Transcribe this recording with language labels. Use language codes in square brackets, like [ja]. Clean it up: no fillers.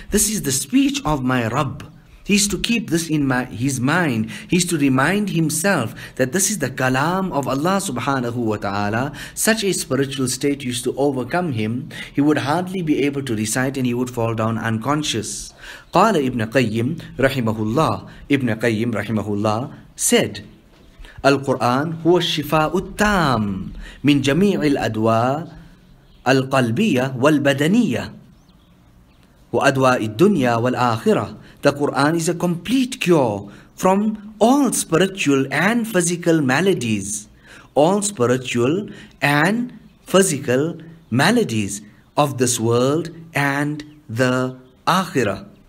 [en] This is the speech of my Rabb. He used to keep this in his mind. He used to remind himself that this is the kalam of Allah subhanahu wa ta'ala. Such a spiritual state used to overcome him. He would hardly be able to recite and he would fall down unconscious. [ar] قَالَ إِبْنَ قَيِّمْ رَحِمَهُ اللَّهِ. Ibn Qayyim رَحِمَهُ اللَّهِ said, القرآن هو الشفاء التام من جميع الأدواء القلبية والبدنية وأدواء الدنيا والآخرة. [en] The Quran is a complete cure from all spiritual and physical maladies. All spiritual and physical maladies of this world and the آخرة.